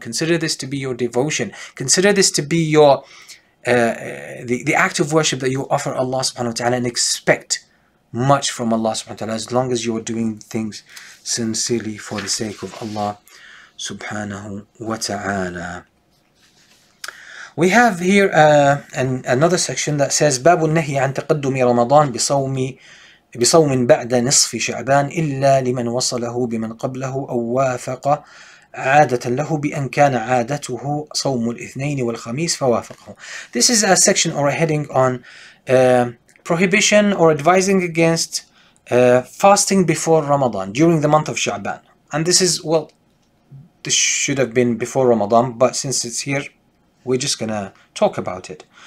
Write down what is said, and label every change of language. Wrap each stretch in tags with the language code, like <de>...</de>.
<en>Consider this to be your devotion. Consider this to be your the act of worship that you offer Allah subhanahu wa ta'ala, and expect much from Allah subhanahu wa ta'ala, as long as you are doing things sincerely for the sake of Allah subhanahu wa ta'ala. We have here another section that says,</en> <ar>بَابُ النَّهِي عَنْ تَقَدُّمِ رَمَضَانِ بِصَوْمِ بصوم بعد نصف شعبان إلا لمن وصله بمن قبله أو وافق عادة له بأن كان عادته صوم الاثنين والخميس فوافقه.</ar> <en>This is a section or a heading on prohibition or advising against fasting before Ramadan during the month of Sha'ban. And this is, well, this should have been before Ramadan, but since it's here, we're just gonna talk about it.</en>